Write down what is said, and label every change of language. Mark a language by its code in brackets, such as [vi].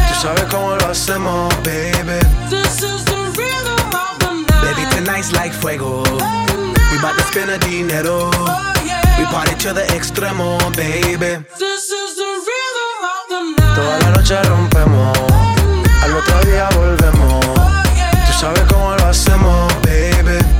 [es] Tú sabes cómo lo hacemos, baby. [en] This is the rhythm of the night. Baby, tonight's like fuego. Tonight. We bout to spend a dinero. Oh, yeah. We party to the extremo, baby. This is the rhythm of the night. [es] Toda la noche rompemos. [en] Tonight. [es] Al otro día volvemos. [en] Oh, yeah. [es] Tú sabes cómo lo hacemos, baby.